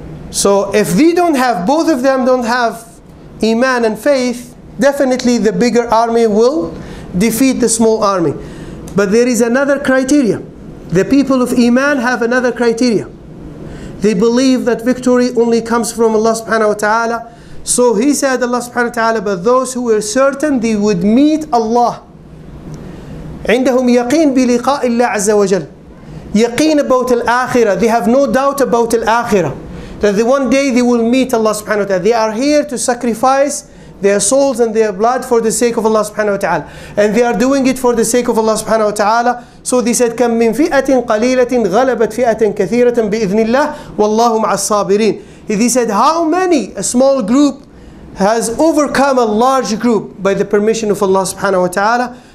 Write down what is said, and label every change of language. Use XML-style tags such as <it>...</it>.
<en>So if they don't have, both of them don't have iman and faith, definitely the bigger army will defeat the small army. But there is another criteria. The people of iman have another criteria. They believe that victory only comes from Allah subhanahu wa ta'ala. So he said, Allah subhanahu wa ta'ala, but those who were certain they would meet Allah.</en> <ar>عندهم يقين بلقاء الله عز وجل.</ar> <en>يقين about al-akhirah. They have no doubt about al-akhirah. That the one day they will meet Allah subhanahu wa ta'ala. They are here to sacrifice their souls and their blood for the sake of Allah subhanahu wa ta'ala. And they are doing it for the sake of Allah subhanahu wa ta'ala. So they said,</en> <ar>كم من فئة قليلة غلبت فئة كثيرة بإذن الله والله مع الصابرين.</ar> <en>They said, how many, a small group, has overcome a large group by the permission of Allah subhanahu wa ta'ala.</en>